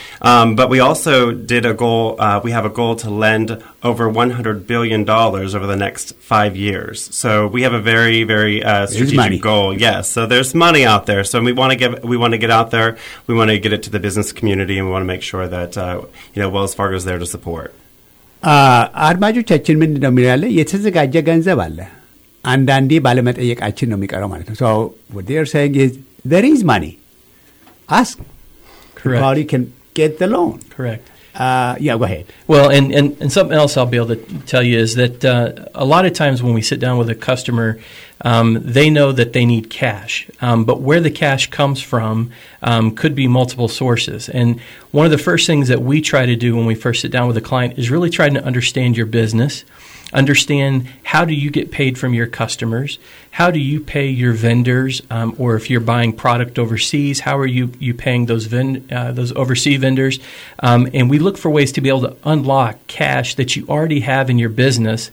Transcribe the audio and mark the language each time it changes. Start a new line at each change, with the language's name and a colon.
English: But we also did a goal. We have a goal to lend over $100 billion over the next 5 years. So we have a very, very strategic goal. Yes. So there's money out there. So we want to get out there. We want to get it to the business community, and we want to make sure that you know Wells Fargo is there to support.
Amharic: አድማጆቻችን ምን እንደሚያለ የተዘጋጀ ገንዘብ አለ አንዳንዴ ባለመጠየቃችን ነው የሚቀረው ማለት ነው
English: so what they are saying is there is money ask correct you can get the loan correct yeah go ahead well and something else I'll be able to tell you is that a lot of times when we sit down with a customer they know that they need cash but where the cash comes from could be multiple sources and one of the first things that we try to do when we first sit down with a client is really try to understand your business understand how do you get paid from your customers how do you pay your vendors or if you're buying product overseas how are you paying those overseas vendors and we look for ways to be able to unlock cash that you already have in your business